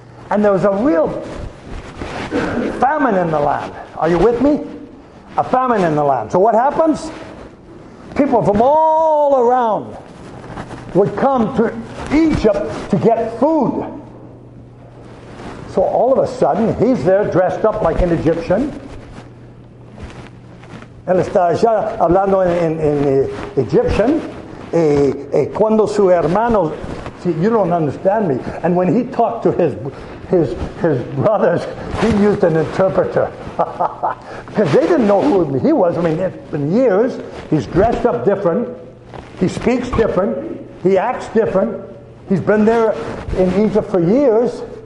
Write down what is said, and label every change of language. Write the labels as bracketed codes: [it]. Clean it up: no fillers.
[en] And there was a real famine in the land. Are you with me? A famine in the land. So what happens? People from all around would come to Egypt to get food. So all of a sudden, he's there dressed up like an Egyptian. [es] Él está allá hablando en Egyptian. Cuando su hermano... [en] See, you don't understand me. And when he talked to his brothers, he used an interpreter. Because they didn't know who he was. I mean, it's been years. He's dressed up different. He speaks different. He acts different. He's been there in Egypt for years.